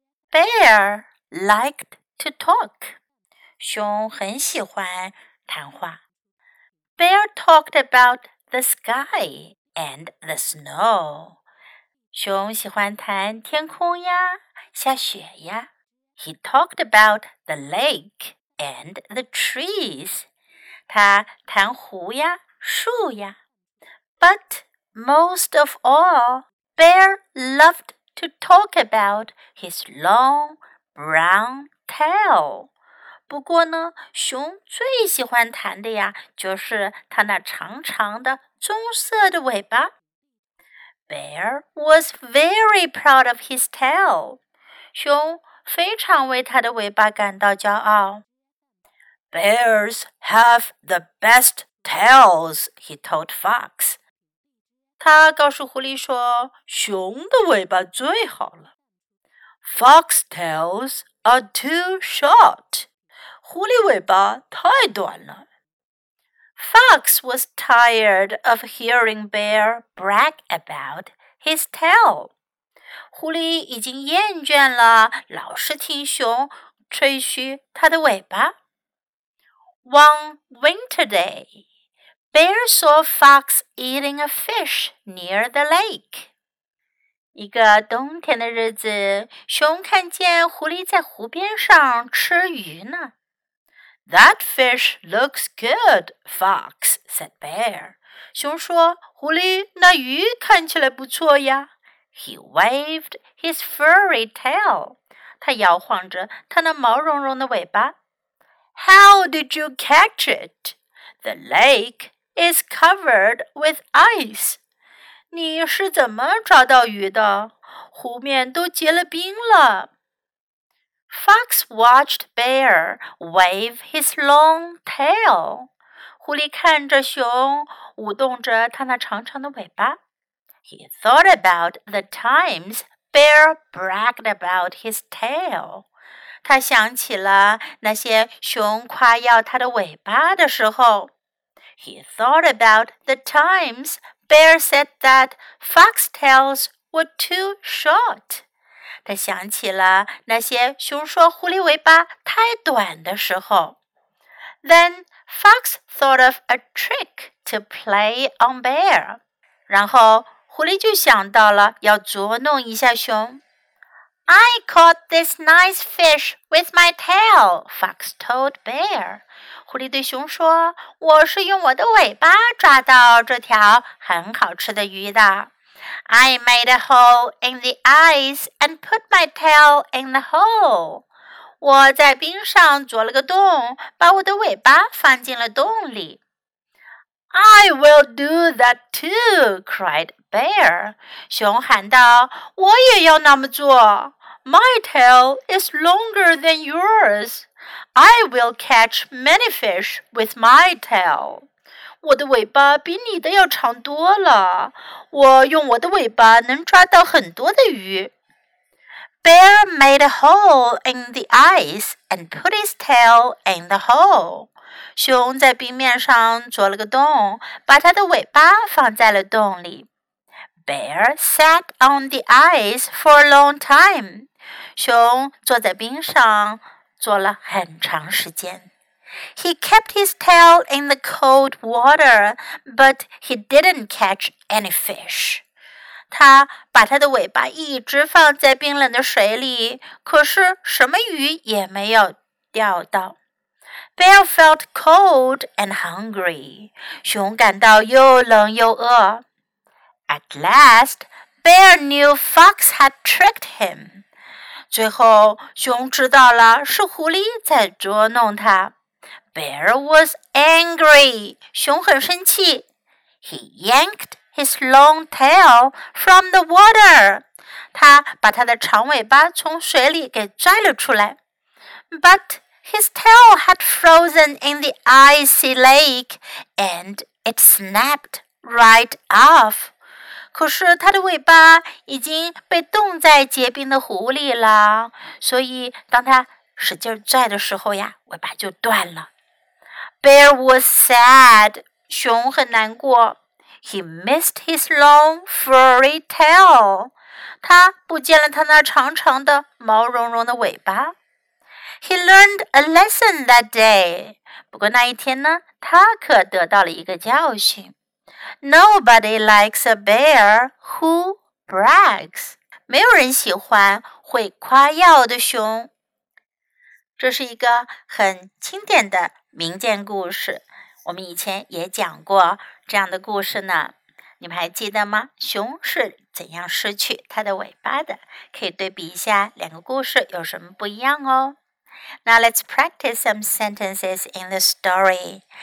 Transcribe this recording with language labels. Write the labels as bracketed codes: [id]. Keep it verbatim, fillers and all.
[en] Bear liked to talk， [zh] 熊很喜欢谈话。 [en] Bear talked about the sky. And the snow. [zh] 熊喜欢谈天空呀，下雪呀。 [en] He talked about the lake and the trees. [zh] 他谈湖呀，树呀。 [en] But most of all, Bear loved to talk about his long brown tail. [zh] 不过呢，熊最喜欢谈的呀，就是他那长长的棕色的尾巴。 [en] Bear was very proud of his tail. [zh] 熊非常为他的尾巴感到骄傲。 [en] Bears have the best tails, he told Fox. [zh] 他告诉狐狸说，熊的尾巴最好了。 [en] Fox tails are too short. [zh] 狐狸尾巴太短了。 [en] Fox was tired of hearing Bear brag about his tail. [zh] 狐狸已经厌倦了，老是听熊吹嘘他的尾巴。 [en] One winter day, Bear saw Fox eating a fish near the lake. [zh] 一个冬天的日子，熊看见狐狸在湖边上吃鱼呢。 [en] That fish looks good, Fox, said Bear. [zh] 熊说，狐狸，那鱼看起来不错呀。 [en] He waved his furry tail. [zh] 他摇晃着他那毛茸茸的尾巴。 [en] How did you catch it? The lake is covered with ice. [zh] 你是怎么抓到鱼的？湖面都结了冰了。 [en] Fox watched Bear wave his long tail. [zh] 狐狸看着熊舞动着他那长长的尾巴。 [en] He thought about the times Bear bragged about his tail. [zh] 他想起了那些熊夸耀他的尾巴的时候。 [en] He thought about the times Bear said that fox tails were too short. [zh] 他想起了那些熊说狐狸尾巴太短的时候。 [en] Then Fox thought of a trick to play on Bear. [zh] 然后狐狸就想到了要捉弄一下熊。 [en] I caught this nice fish with my tail, Fox told Bear. [zh] 狐狸对熊说，我是用我的尾巴抓到这条很好吃的鱼的。 [en] I made a hole in the ice and put my tail in the hole. [zh] 我在冰上啄了个洞，把我的尾巴放进了洞里。 [en] I will do that too, cried Bear. [zh] 熊喊道，我也要那么做。 [en] My tail is longer than yours. I will catch many fish with my tail. [zh] 我的尾巴比你的要长多了，我用我的尾巴能抓到很多的鱼。 [en] Bear made a hole in the ice and put his tail in the hole. [zh] 熊在冰面上啄了个洞，把它的尾巴放在了洞里。 [en] Bear sat on the ice for a long time. [zh] 熊坐在冰上坐了很长时间。 [en] He kept his tail in the cold water, but he didn't catch any fish. [zh] 他把他的尾巴一直放在冰冷的水里，可是什么鱼也没有钓到。 [en] Bear felt cold and hungry. [zh] 熊感到又冷又饿。 [en] At last, Bear knew Fox had tricked him. [zh] 最后，熊知道了是狐狸在捉弄他。 [en] Bear was angry. [zh] 熊很生气。 [en] He yanked his long tail from the water. [zh] 他把他的长尾巴从水里给拽了出来。 [en] But his tail had frozen in the icy lake, and it snapped right off. [zh] 可是它的尾巴已经被冻在结冰的湖里了，所以当它使劲拽的时候呀，尾巴就断了。 [en] Bear was sad. [zh] 熊很难过。 [en] He missed his long furry tail. [zh] 他不见了他那长长的毛茸茸的尾巴。 [en] He learned a lesson that day. [zh] 不过那一天呢，他可得到了一个教训。 [en] Nobody likes a bear who brags. [zh] 没有人喜欢会夸耀的熊。这是一个很经典的民间故事，我们以前也讲过这样的故事呢。你们还记得吗？熊是怎样失去它的尾巴的？可以对比一下两个故事有什么不一样哦。 [en] Now let's practice some sentences in the story.